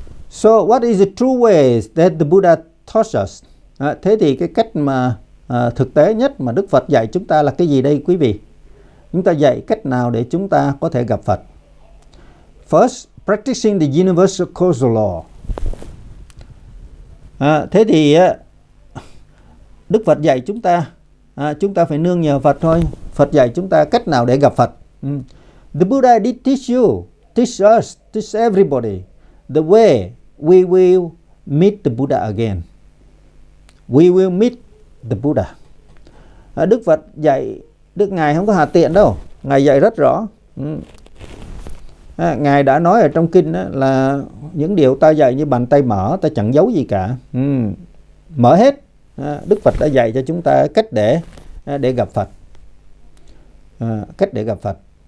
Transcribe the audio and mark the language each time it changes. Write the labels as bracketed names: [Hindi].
[English] So what is the true ways that the Buddha taught us? [Vietnamese] Thế thì cái cách mà thực tế nhất mà Đức Phật dạy chúng ta là cái gì đây quý vị? Chúng ta dạy cách nào để chúng ta có thể gặp Phật? [English] First, practicing the universal causal law. [Vietnamese] Thế thì Đức Phật dạy chúng ta phải nương nhờ Phật thôi. Phật dạy chúng ta cách nào để gặp Phật. [English] The Buddha did teach you, teach us, teach everybody the way we will meet the Buddha again. We will meet the Buddha. [Vietnamese] Đức Phật dạy, Đức Ngài không có hà tiện đâu. Ngài dạy rất rõ. Ngài đã nói ở trong kinh là những điều ta dạy như bàn tay mở, ta chẳng giấu gì cả. Mở hết. Đức Phật đã dạy cho chúng ta cách để gặp Phật. Cách để gặp Phật.